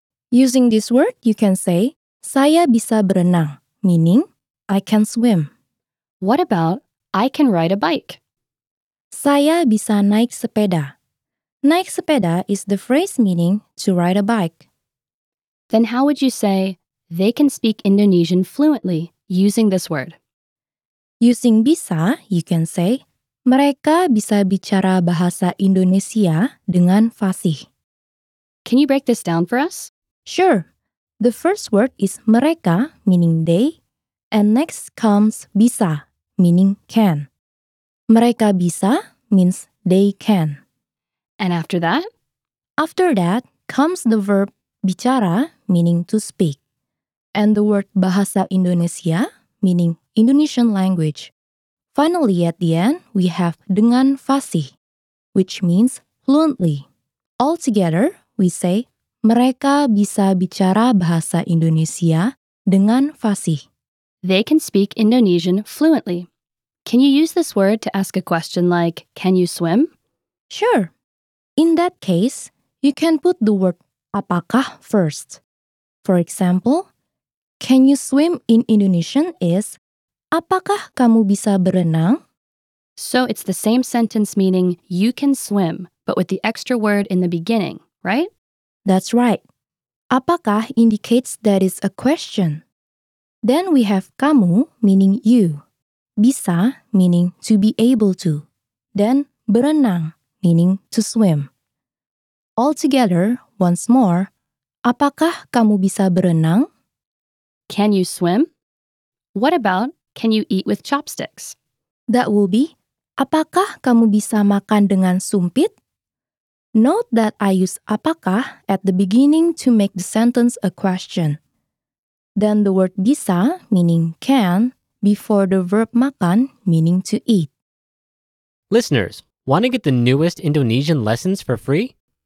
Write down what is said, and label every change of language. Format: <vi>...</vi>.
<en>Using this word, you can say</en> <id>saya bisa berenang,</id> <en>meaning I can swim. What about I can ride a bike?</en> <id>Saya bisa naik sepeda. Naik sepeda</id> <en>is the phrase meaning to ride a bike. Then how would you say they can speak Indonesian fluently using this word? Using bisa, you can say</en> <id>mereka bisa bicara bahasa Indonesia dengan fasih.</id> <en>Can you break this down for us? Sure. The first word is mereka, meaning they, and next comes bisa, meaning can.</en> <id>Mereka bisa</id> <en>means they can. And after that? After that comes the verb bicara, meaning to speak, and the word bahasa Indonesia, meaning Indonesian language. Finally, at the end, we have</en> <id>dengan fasih,</id> <en>which means fluently. Altogether, we say</en> <id>mereka bisa bicara bahasa Indonesia dengan fasih.</id> <en>They can speak Indonesian fluently. Can you use this word to ask a question like, can you swim? Sure. In that case, you can put the word apakah first. For example, can you swim in Indonesian is</en> <id>apakah kamu bisa berenang?</id> <en>So it's the same sentence meaning you can swim, but with the extra word in the beginning, right? That's right. Apakah indicates that it's a question. Then we have kamu meaning you. Bisa meaning to be able to. Then berenang meaning to swim. Altogether, once more,</en> <id>apakah kamu bisa berenang?</id> <en>Can you swim? What about can you eat with chopsticks? That will be</en> <id>apakah kamu bisa makan dengan sumpit?</id> <en>Note that I use apakah at the beginning to make the sentence a question. Then the word bisa, meaning can, before the verb makan, meaning to eat. Listeners, want to get the newest Indonesian lessons for free?</en>